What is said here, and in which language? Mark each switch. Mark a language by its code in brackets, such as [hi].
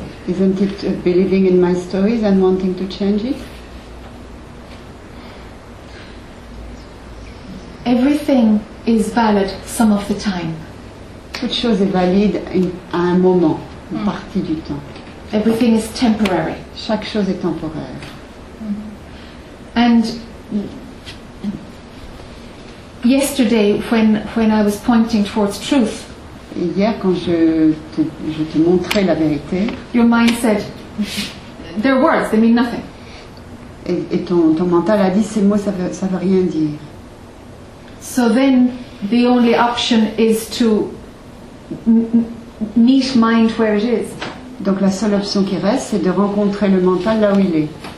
[en] Isn't it believing in my stories and wanting to change it? Everything is valid some of the time. [fr] Toute chose est valide à un moment, une partie du temps. [en] Everything is temporary. [fr] Chaque chose est temporaire. [en] And yesterday, when I was pointing towards truth, [fr] hier quand je te montrais la vérité, [en] your mind said, "They're words. They mean nothing." [fr] Et ton mental a dit, ces mots ça veut rien dire. [en] So then, the only option is to meet mind where it is. [fr] Donc la seule option qui reste, c'est de rencontrer le mental là où il est.